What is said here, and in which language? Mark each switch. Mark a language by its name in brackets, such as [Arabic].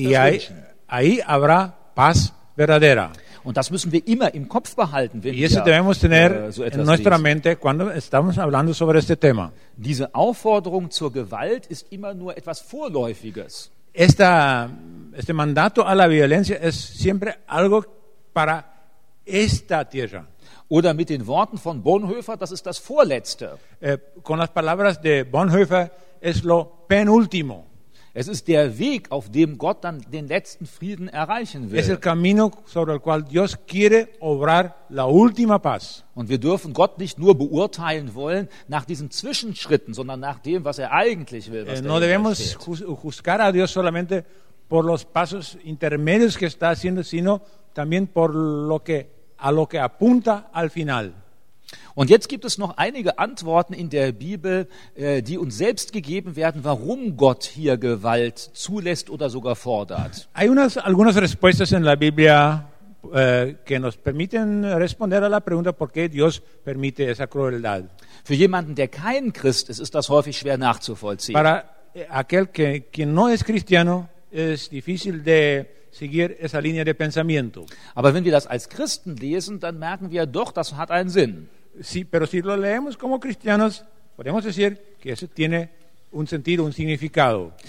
[Spanish] y [German] das [Spanish] ahí, [German] wünschen. [Spanish] Ahí habrá paz verdadera. [German] Und das müssen wir immer im Kopf behalten, wenn wir so etwas sehen. [Spanish] Mente cuando estamos hablando sobre este tema. [German] Diese Aufforderung zur Gewalt ist immer nur etwas Vorläufiges. [Spanish] Este mandato a la violencia es siempre algo para esta tierra. [German] Oder mit den Worten von Bonhoeffer, das ist das Vorletzte. [Spanish] Con las palabras de Bonhoeffer es lo penúltimo. [German] Es ist der Weg, auf dem Gott dann den letzten Frieden erreichen will. [Spanish] Es el camino sobre el cual Dios quiere obrar la última paz. [German] Und wir dürfen Gott nicht nur beurteilen wollen nach diesen Zwischenschritten, sondern nach dem, was er eigentlich will, was [Spanish] no debemos juzgar a Dios solamente por los pasos intermedios que está haciendo, sino también por lo que a lo que apunta al final. [German] Und jetzt gibt es noch einige Antworten in der Bibel, die uns selbst gegeben werden, warum Gott hier Gewalt zulässt oder sogar fordert. [Spanish] Hay unas algunas respuestas en la Biblia que nos permiten responder a la pregunta por qué Dios permite esa crueldad. [German] Für jemanden, der kein Christ ist, ist das häufig schwer nachzuvollziehen. [Spanish] Para aquel que no es cristiano es difícil de seguir esa línea de pensamiento. [German] Aber wenn wir das als Christen lesen, dann merken wir doch, das hat einen Sinn. [Spanish] Sí, pero si lo leemos como cristianos, podemos decir que eso tiene un sentido, un significado.